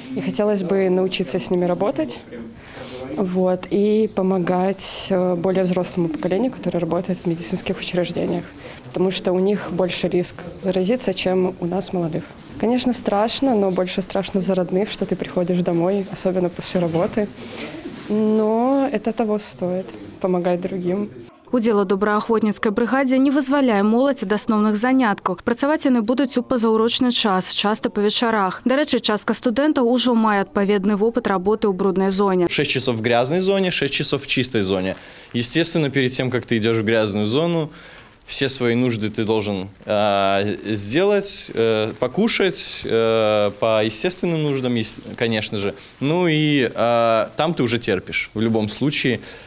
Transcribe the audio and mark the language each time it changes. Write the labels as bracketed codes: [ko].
[ru] И хотелось бы научиться с ними работать, вот, и помогать более взрослому поколению, которое работает в медицинских учреждениях. Потому что у них больше риск заразиться, чем у нас молодых. Конечно, страшно, но больше страшно за родных, что ты приходишь домой, особенно после работы. Но это того стоит, помогать другим. [be] Удзел добраахвотніцкай брыгадзе не вызваляе моладзь ад асноўных заняткаў. Працаваць яны будуць у пазаўрочны час, часта па вечарах. Дарэчы, частка студэнтаў ўжо мае адпаведны вопыт работы ў бруднай зоне. [ru] 6 часов в грязнай зоне, 6 часов в чистой зоне. Естественно, перед тем, как ты идешь в грязную зону, все свои нужды ты должен сделать, покушать по естественным нуждам, конечно же. Ну и там ты уже терпишь в любом случае.